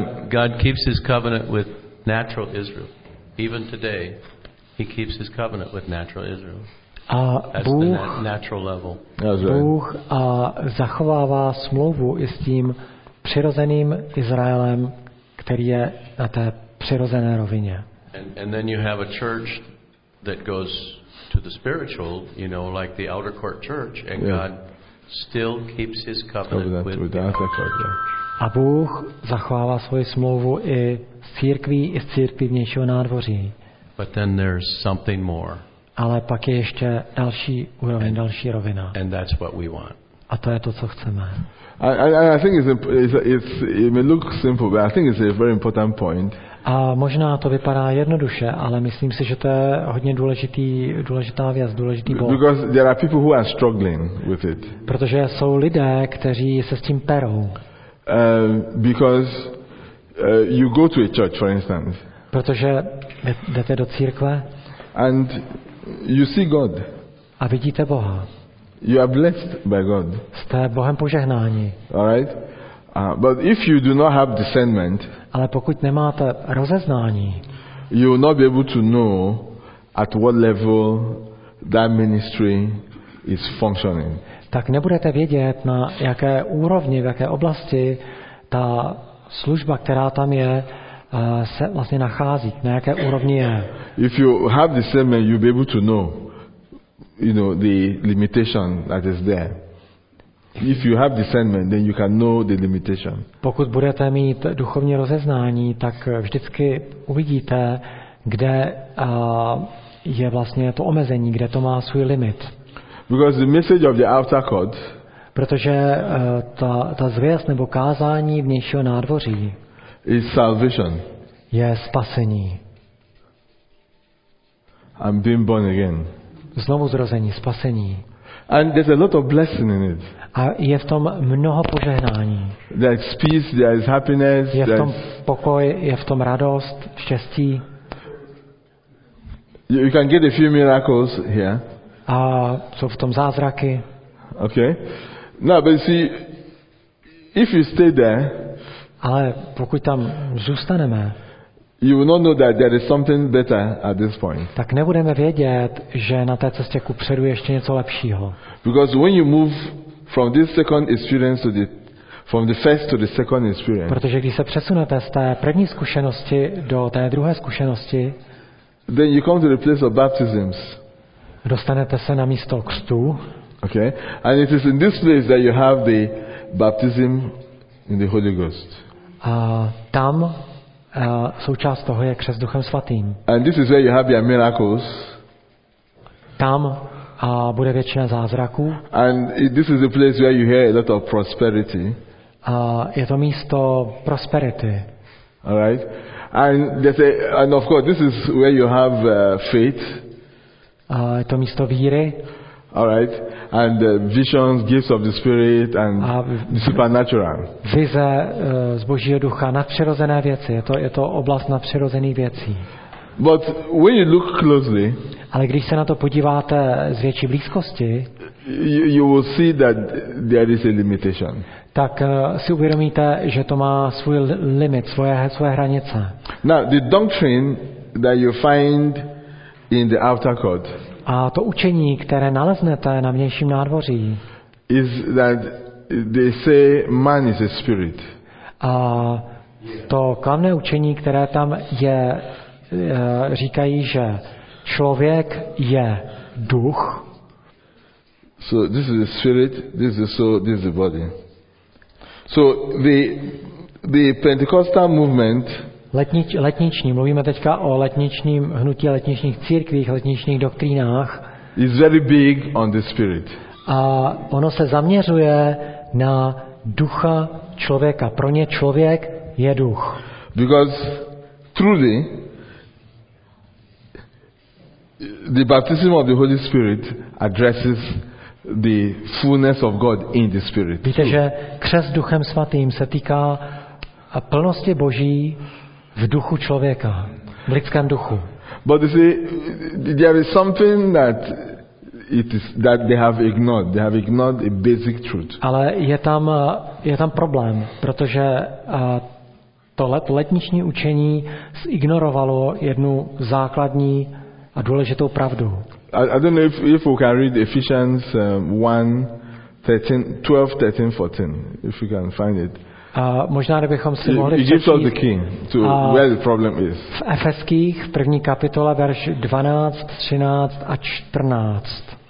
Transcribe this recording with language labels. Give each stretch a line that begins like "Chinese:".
English: God keeps his covenant with natural Israel. Even today, He keeps his covenant with natural Israel. That's Bůh, the natural level.
Czech: Bůh zachovává smlouvu i s tím přirozeným Izraelem, který je na té přirozené rovině.
English: And then you have a church that goes to the spiritual, you know, like the outer court church, and yeah. God still keeps his covenant with the outer court church.
Czech: A Bůh zachovává svoji smlouvu i s církví, i s církví vnějšího nádvoří.
English: But then there's something more.
Czech: Ale pak je ještě další úroveň, další rovina.
English: And that's what we want.
Czech: A to je to, co chceme.
English: I think it may look simple, but I think it's a very important point.
Czech: A možná to vypadá jednoduše, ale myslím si, že to je hodně důležitá věc, důležitý bod.
English: Because there are people who are struggling with it.
Czech: Protože jsou lidé, kteří se s tím perou.
English: Because you go to a church, for instance.
Czech: Protože jdete do církve.
English: And you see God.
Czech: A vidíte Boha.
English: You are blessed by God.
Czech: Jste Bohem požehnání.
English: All right. But if you do not have discernment,
Czech: ale pokud nemáte rozeznání,
English: you will not be able to know at what level that ministry is functioning.
Czech: Tak nebudete vědět, na jaké úrovni, v jaké oblasti ta služba, která tam je, se vlastně nachází, na jaké úrovni je.
English: If you have discernment, you'll be able to know, you know, the limitation that is there. If you have discernment, then you can know the limitation.
Czech: Pokud budete mít duchovní rozeznání, tak vždycky uvidíte, kde je vlastně to omezení, kde to má svůj limit.
English: Because the message of the outer court.
Czech: Protože ta zvěst nebo kázání vnějšího nádvoří.
English: Is salvation.
Czech: Je spasení.
English: I'm being born again.
Czech: Znovu zrození, spasení.
English: And there's a lot of blessing in it.
Czech: A je v tom mnoho požehnání.
English: There's peace, there's happiness.
Czech: Je v tom pokoj, je v tom radost, štěstí.
English: You can get a few miracles here.
Czech: A jsou v tom zázraky.
English: Okay. No, but see, if you stay there.
Czech: Ale pokud tam zůstaneme.
English: You will not know that there is something better at this point.
Czech: Tak nebudeme vědět, že na té cestě kupředu ještě něco lepšího.
English: Because when you move from this second experience to the from the first to the second experience.
Czech: Protože když se přesunete z té první zkušenosti do té druhé zkušenosti.
English: Then you come to the place of baptisms.
Czech: Dostanete se na místo křtu.
English: Okay. And it is in this place that you have the baptism in the Holy Ghost.
Czech: A tam součást toho je křest Duchem Svatým.
English: And this is where you have your miracles.
Czech: Tam bude většina zázraků.
English: And this is the place where you hear a lot of prosperity.
Czech: Je to místo prosperity.
English: All right. And of course this is where you have faith.
Czech: Je to místo víry.
English: All right. And visions, gifts of the spirit and the supernatural.
Czech: Vize z Božího ducha, nadpřirozené věci, je to oblast nadpřirozených věcí.
English: But when you look closely,
Czech: ale když se na to podíváte z větší blízkosti,
English: you will see that there is a limitation.
Czech: Tak si uvědomíte, že to má svůj limit, svoje hranice.
English: Now, the doctrine that you find in the outer court.
Czech: A to učení, které naleznete na vnějším nádvoří,
English: is that they say man is a spirit.
Czech: A to klamné učení, které tam je, říkají, že člověk je duch.
English: So this is the spirit, this is the soul, this is the body. So the Pentecostal movement.
Czech: Letniční, mluvíme teďka o letničním hnutí, letničních církvích, letničních doktrínách.
English: Is very big on the spirit.
Czech: A ono se zaměřuje na ducha člověka. Pro ně člověk je duch.
English: Because truly the baptism of the Holy Spirit addresses the fullness of God in the spirit.
Czech: Víte, že křest Duchem Svatým se týká plnosti Boží v duchu člověka, v lidském duchu.
English: But you see, there is something that it is that they have ignored. They have ignored a basic truth.
Czech: Ale je tam problém, protože to letniční učení zignorovalo jednu základní a důležitou pravdu.
English: I don't know if we can read Ephesians 1:12-14, if we can find it.
Czech: Možná bychom si mohli přečíst
English: where the problem is.
Czech: V Efeských, první kapitole, verš 12, 13 a 14.